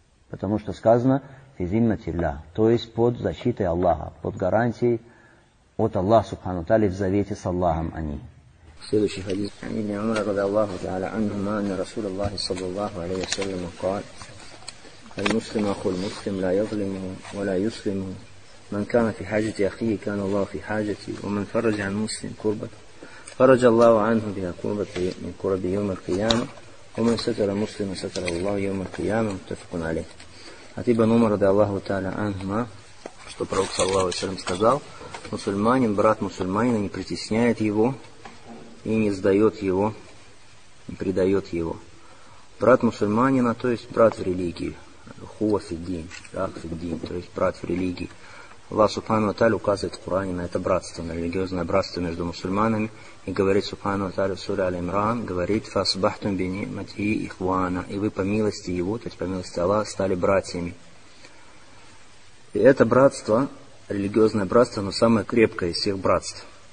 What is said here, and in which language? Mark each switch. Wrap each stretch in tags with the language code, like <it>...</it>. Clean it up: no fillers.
<ru>Потому что сказано</ru> <ar>«фи зиммати ля»,</ar> <ru>то есть под защитой Аллаха, под гарантией от Аллаха, субхану тааля, в завете с Аллахом они. Следующий хадис.</ru> <ar>«Ибн Умар рады Аллаху та'аля анхума анна Расул Аллахи саллаллаху алейхи саллиму кааль». المسلم أخو المسلم لا يظلم ولا يسلم من كان في حاجة أخيه كان الله في حاجتي ومن فرج عن مسلم كربة فرج الله عنه بها كربة من كرب يوم القيامة ومن ستر مسلم ستر الله يوم القيامة متفق عليه حتي بن عمر رضي الله تعالى عنهما</ar> <ru>что пророк صلى الله عليه وسلم сказал мусульманин брат мусульманина не притесняет его и не сдает его не предает его брат мусульманина то есть брат в религии Хуафиддин, Ахфиддин, то есть брат в религии. Аллах Субхану ва Тааля указывает в Коране на это братство, на религиозное братство между мусульманами. И говорит Субхану ва Тааля в суре Аль-Имран, говорит</ru> <ar>«Фасбахтум би ниматихи ихвана»</ar> <ru>и вы по милости его, то есть по милости Аллаха, стали братьями. И это братство, религиозное братство, оно самое крепкое из всех братств.</ru>